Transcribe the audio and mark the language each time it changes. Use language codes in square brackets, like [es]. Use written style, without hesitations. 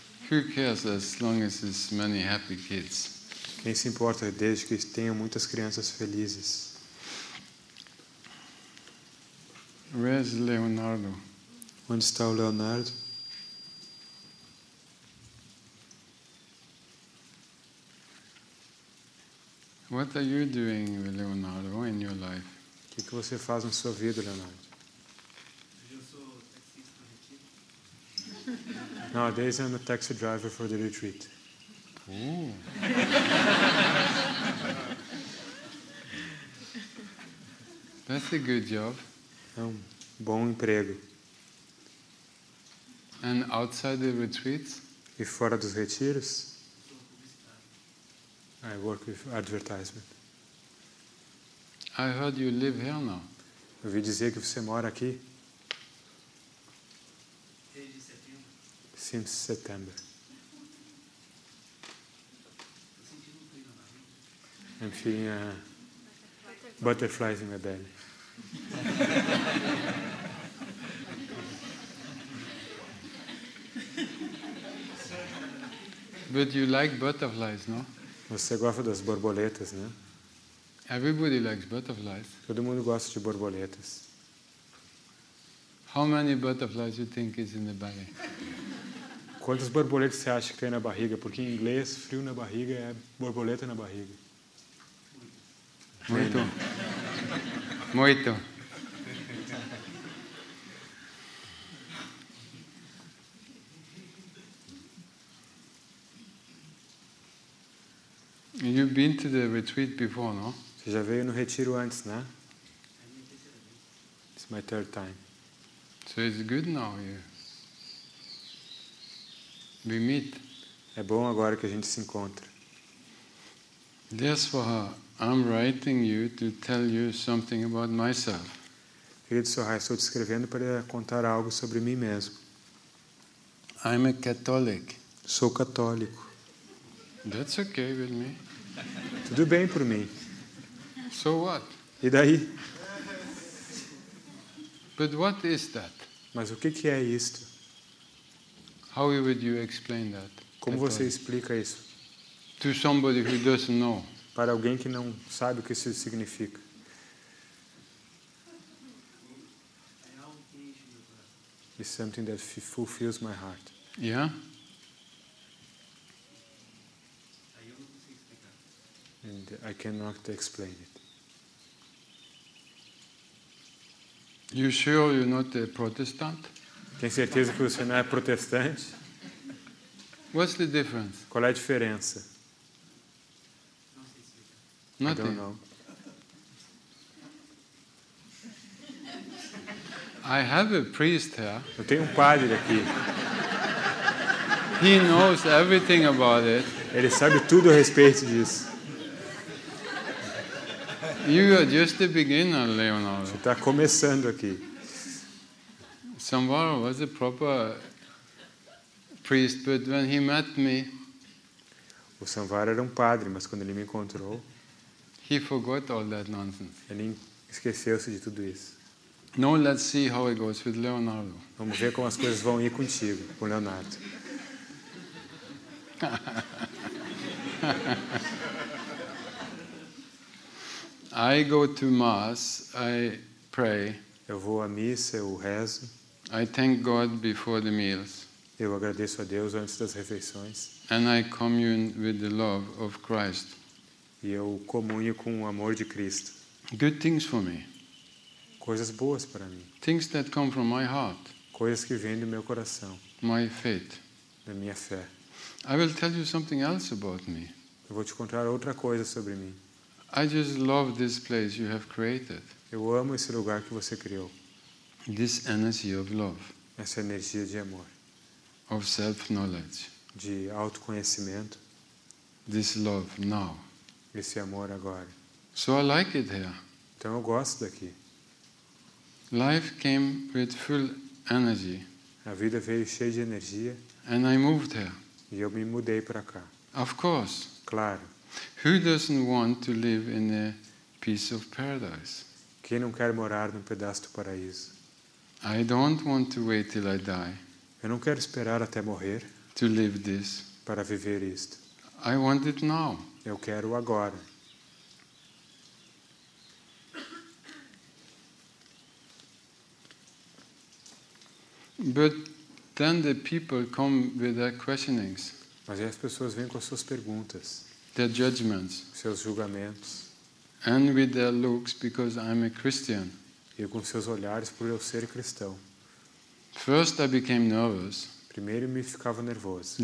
[en] Who cares as long as there's many happy kids? [pt] Quem se importa desde que tenha muitas crianças felizes? [en] Where's Leonardo? [pt] Onde está o Leonardo? [en] What are you doing, Leonardo, in your life? [pt] O que você faz na sua vida, Leonardo? Eu sou taxista no retreat. [en] Nowadays I'm a taxi driver for the retreat. That's a good job. [pt] É um bom emprego. [en] And outside the retreat? [pt] E fora dos retiros? [en] I work with advertisement. I heard you live here now. [pt] Eu ouvi dizer que você mora aqui. Desde setembro. [en] Since September. I'm feeling butterflies in my belly. But you like butterflies, no? [pt] Você gosta das borboletas, né? [en] Everybody likes butterflies. [pt] Todo mundo gosta de borboletas. [en] How many butterflies you think is in the belly? [pt] Quantas borboletas você acha que tem na barriga? Porque em inglês, frio na barriga é borboleta na barriga. Muito. Muito. [en] You've been to the retreat before, no? [pt] Você já veio no retiro antes, né? [en] It's my third time. So it's good now here. We meet. [pt] É bom agora que a gente se encontra. [en] Therefore, I'm writing you to tell you something about myself. [pt] Querido Sohai, estou te escrevendo para contar algo sobre mim mesmo. [en] I'm a Catholic. [pt] Sou católico. [en] That's okay with me. [pt] Tudo bem por mim. [en] So what? [pt] E daí? [en] But what is that? [pt] Mas o que é isto? [en] How would you explain that? [pt] Como você explica isso? [en] To somebody who doesn't know. [pt] Para alguém que não sabe o que isso significa. [en] It's something that fulfills my heart. Yeah. And I cannot explain it. You sure you're not a Protestant? [pt] Tem certeza que você não é protestante? [en] What's the difference? [pt] Qual é a diferença? [en] Nothing. I don't know. I have a priest here. [pt] Eu tenho padre aqui. [en] He knows everything about it. [pt] Ele sabe tudo a respeito disso. [en] You are just a beginner, Leonardo. [pt] Você está começando aqui. [en] Samvara was a proper priest, but when he met me, [pt] o Samvara era padre, mas quando ele me encontrou, [en] he forgot all that nonsense. [pt] Ele esqueceu-se de tudo isso. [en] Now let's see how it goes with Leonardo. [pt] Vamos ver como as coisas vão ir contigo, com Leonardo. [en] I go to mass, I pray. [pt] Eu vou à missa, eu rezo. [en] I thank God before the meals. [pt] Eu agradeço a Deus antes das refeições. [en] And I commune with the love of Christ. [pt] E eu comunho com o amor de Cristo. [en] Good things for me. [pt] Coisas boas para mim. [en] Things that come from my heart. [pt] Coisas que vêm do meu coração. [en] My faith. [pt] Da minha fé. [en] I will tell you something else about me. [pt] Eu vou te contar outra coisa sobre mim. [en] I just love this place you have created. [pt] Eu amo esse lugar que você criou. [en] This energy of love. [pt] Essa energia de amor. [en] Of self-knowledge. [pt] De autoconhecimento. [en] This love now. [pt] Esse amor agora. [en] So I like it here. [pt] Então eu gosto daqui. [en] Life came with full energy. [pt] A vida veio cheia de energia. [en] And I moved here. [pt] E eu me mudei para cá. [en] Of course. [pt] Claro. [en] Who doesn't want to live in a piece of paradise? [pt] Quem não quer morar num pedaço do paraíso? [en] I don't want to wait till I die. [pt] Eu não quero esperar até morrer. [en] To live this. [pt] Para viver isto. [en] I want it now. [pt] Eu quero agora. [en] But then the people come with their questionings. [pt] Mas aí as pessoas vêm com as suas perguntas. [en] Their judgments. [pt] Seus julgamentos. [en] And with their looks, because I'm a Christian. [pt] E com seus olhares por eu ser cristão. [en] First I became nervous. [pt] Primeiro me ficava nervoso.